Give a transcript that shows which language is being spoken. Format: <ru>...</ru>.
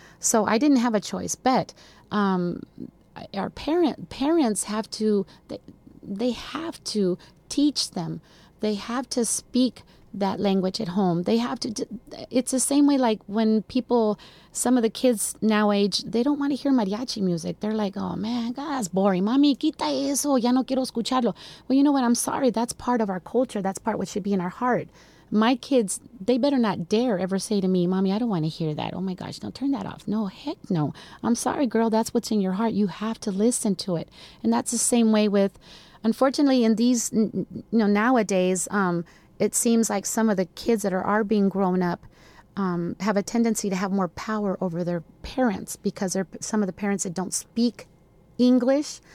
<en>So I didn't have a choice. But our parents have to, they have to teach them. They have to speak that language at home. They have to, it's the same way like when people, some of the kids now age, they don't want to hear mariachi music. They're like, oh man, that's boring.</en> <es>Mami, quita eso, ya no quiero escucharlo.</es> <en>Well, you know what? I'm sorry. That's part of our culture. That's part of what should be in our heart. My kids, they better not dare ever say to me, Mommy, I don't want to hear that. Oh my gosh, no, turn that off. No, heck no. I'm sorry, girl, that's what's in your heart. You have to listen to it. And that's the same way with, unfortunately, in these, you know, nowadays, it seems like some of the kids that are being grown up have a tendency to have more power over their parents because they're some of the parents that don't speak English.</en>